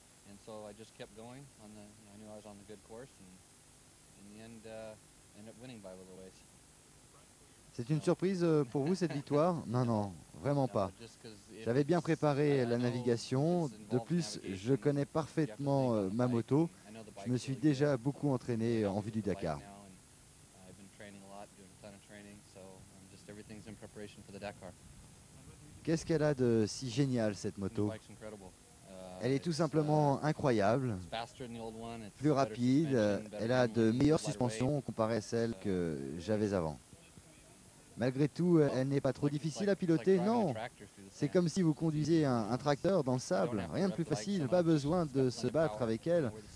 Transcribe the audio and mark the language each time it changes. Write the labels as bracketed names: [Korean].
[English] And so I just kept going on the, you know, I knew I was on the good course and in the end ended up winning by a little ways. [French] C'est une surprise pour vous cette victoire? Non, vraiment pas. J'avais bien préparé la navigation, de plus je connais parfaitement ma moto. Je me suis déjà beaucoup entraîné en vue du Dakar. [English] I've been training a lot, doing a ton of training, so I'm just everything's in preparation for the Dakar. [French] Qu'est-ce qu'elle a de si génial cette moto? Elle est tout simplement incroyable, plus rapide, elle a de meilleures suspensions comparées à celles que j'avais avant. Malgré tout, elle n'est pas trop difficile à piloter, non. C'est comme si vous conduisiez un tracteur dans le sable, rien de plus facile, pas besoin de se battre avec elle.